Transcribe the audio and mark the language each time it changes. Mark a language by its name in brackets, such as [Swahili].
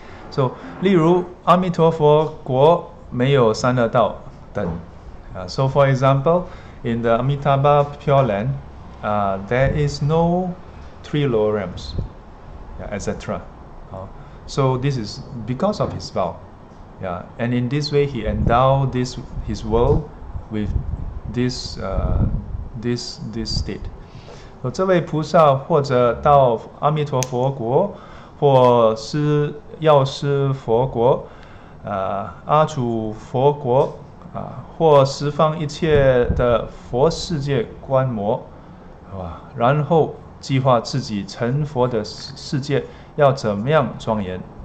[Chinese] So, 例如阿弥陀佛国没有三恶道等。 [English] So, for example, in the Amitabha Pure Land, there is no three lower realms, etc. So this is because of his vow. And in this way, he endowed his world with this state. [Chinese] 这位菩萨或者到阿弥陀佛国，或是药师佛国、阿处佛国或十方一切的佛世界观摩，然后计划自己成佛的世界要怎么样庄严。